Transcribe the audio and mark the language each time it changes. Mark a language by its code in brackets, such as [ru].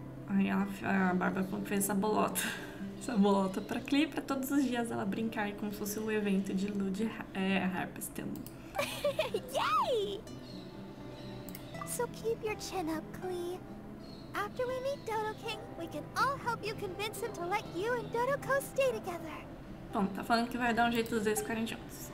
[pt] Aí a Bárbara fez essa bolota. Essa bolota para Clea, para todos os dias ela brincar como se fosse o evento de Ludi Harpastum. [en] Yay! So keep your chin up, Clea. After we meet Dodo King, we can all help you convince him to let you and Dodo Co stay together. [pt] Bom, tá falando que vai dar um jeito dos dois ficarem juntos.